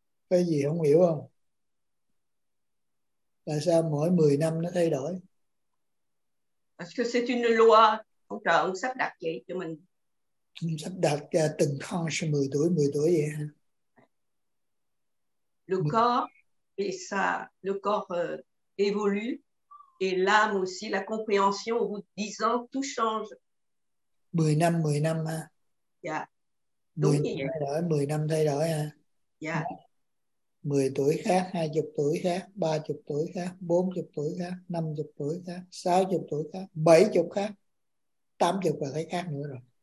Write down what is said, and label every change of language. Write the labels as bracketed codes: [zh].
[vi] Cái gì không hiểu không? Tại sao mỗi 10 năm nó thay đổi? [fr] Parce que c'est une loi, [vi] ông trời ông sắp đặt vậy cho mình. Sắp đặt từng con sẽ 10 tuổi, 10 tuổi vậy hả? [fr] Le corps, et ça, le corps évolue, et l'âme aussi, la compréhension, au bout de 10 ans, tout change. [vi] 10 năm, 10 năm hả? Yeah. 10 năm thay đổi, 10 năm thay đổi hả? Yeah. 10 tuổi khác, 20 tuổi khác, 30 tuổi khác, 40 tuổi khác, 50 tuổi khác, 60 tuổi khác, 70 khác, 80 và thấy khác nữa rồi.